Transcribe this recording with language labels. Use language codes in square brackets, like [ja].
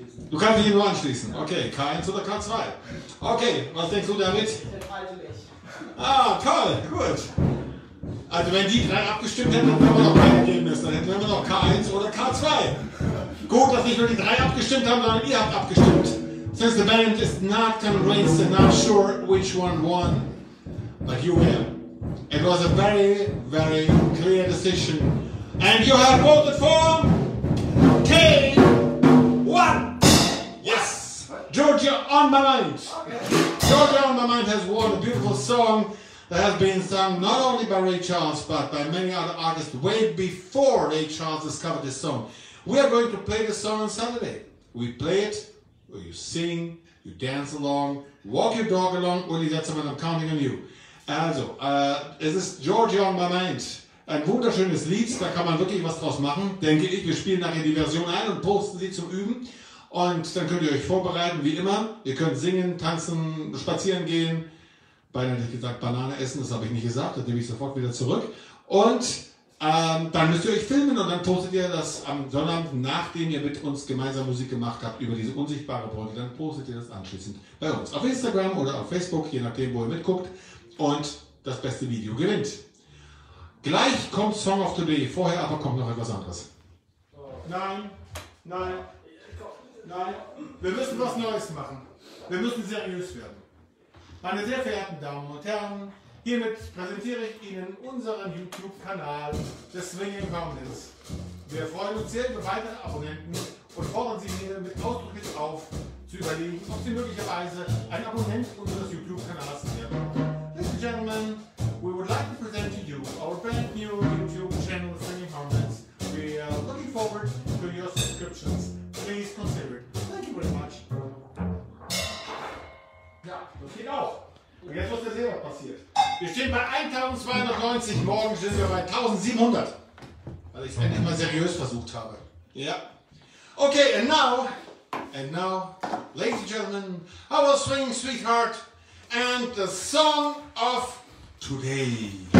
[de] Du kannst dich nur anschließen. Okay, K1 oder K2? Okay, was denkst du damit? Ah, toll, gut. Also wenn die drei abgestimmt hätten, hätten wir noch kein Ergebnis. Dann hätten wir noch K1 oder K2. Gut, dass nicht nur die drei abgestimmt haben, sondern ihr habt abgestimmt. [en] Since the band is not convinced and not sure which one won, but you will. It was a very, very clear decision. And you have voted for K1. Yes, Georgia on my mind. Okay. Georgia on my mind has won a beautiful song that has been sung not only by Ray Charles, but by many other artists way before Ray Charles discovered this song. We are going to play this song on Saturday. We play it, or you sing, you dance along, walk your dog along, Uli Detzermann, I'm counting on you. [de] Also, es ist Georgia on my mind. Ein wunderschönes Lied, da kann man wirklich was draus machen, denke ich. Wir spielen nachher die Version ein und posten sie zum Üben. Und dann könnt ihr euch vorbereiten, wie immer. Ihr könnt singen, tanzen, spazieren gehen. Beinahe hätte ich gesagt, Banane essen, das habe ich nicht gesagt, das nehme ich sofort wieder zurück. Und dann müsst ihr euch filmen und dann postet ihr das am Sonnabend, nachdem ihr mit uns gemeinsam Musik gemacht habt, über diese unsichtbare Brücke, dann postet ihr das anschließend bei uns auf Instagram oder auf Facebook, je nachdem, wo ihr mitguckt und das beste Video gewinnt. Gleich kommt Song of the Day, vorher aber kommt noch etwas anderes. Nein, nein, nein, wir müssen was Neues machen. Wir müssen seriös werden. Meine sehr verehrten Damen und Herren, hiermit präsentiere ich Ihnen unseren YouTube-Kanal des Swinging Permanents. Wir freuen uns sehr über weitere Abonnenten und fordern Sie hiermit ausdrücklich auf, zu überlegen, ob Sie möglicherweise ein Abonnent unseres YouTube-Kanals werden. [en] Ladies and Gentlemen, we would like to present to you our brand new YouTube-Channel Swinging Permanents. We are looking forward to your subscriptions. Please consider it. Thank you very much. [de] Ja, das geht auch. Und jetzt, was wir sehen, was passiert. Wir stehen bei 1290, morgen stehen wir bei 1700. Weil ich es endlich mal seriös versucht habe. Ja. [en] Okay, and now, ladies and gentlemen, our swinging sweetheart and the song of today.